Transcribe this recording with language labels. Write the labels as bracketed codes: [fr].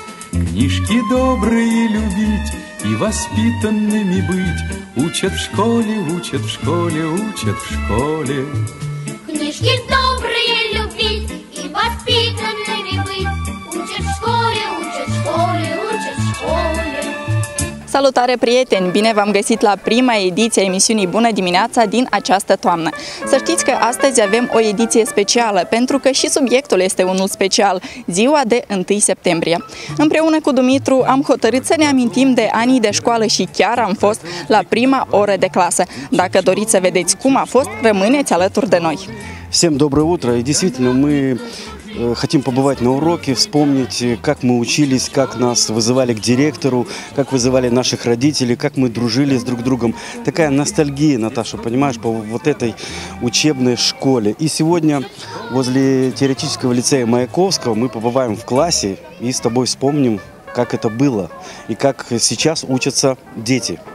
[ru] Книжки добрые любить и воспитанными быть. Учат в школе, учат в школе, учат в школе. Книжки добрые любить и воспитанными быть. Учат в школе, учат в школе, учат в школе. [ro] Salutare, prieteni! Bine v-am găsit la prima ediție a emisiunii Bună Dimineața din această toamnă. Să știți că astăzi avem o ediție specială, pentru că și subiectul este unul special, ziua de 1 septembrie. Împreună cu Dumitru am hotărât să ne amintim de anii de școală și chiar am fost la prima oră de clasă. Dacă doriți să vedeți cum a fost, rămâneți alături de noi! [ru] Всем доброе утро! И действительно, мы хотим побывать на уроке, вспомнить, как мы учились, как нас вызывали к директору, как вызывали наших родителей, как мы дружили с друг другом. Такая ностальгия, Наташа, понимаешь, по вот этой учебной школе. И сегодня возле теоретического лицея Маяковского мы побываем в классе и с тобой вспомним, как это было и как сейчас учатся дети.